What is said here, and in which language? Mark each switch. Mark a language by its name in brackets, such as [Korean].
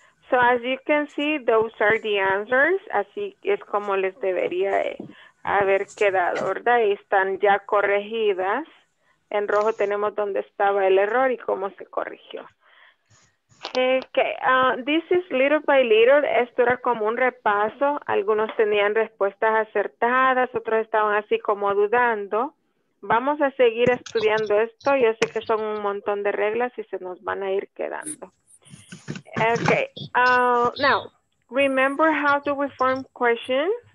[English] So as you can see, those are the answers. [Spanish] Así es como les debería haber quedado, ¿verdad? Y están ya corregidas. En rojo tenemos donde estaba el error y cómo se corrigió. [English] Okay, this is little by little. [Spanish] Esto era como un repaso. Algunos tenían respuestas acertadas, otros estaban así como dudando. Vamos a seguir estudiando esto. Yo sé que son un montón de reglas y se nos van a ir quedando. [English] Okay, now, remember how do we form questions?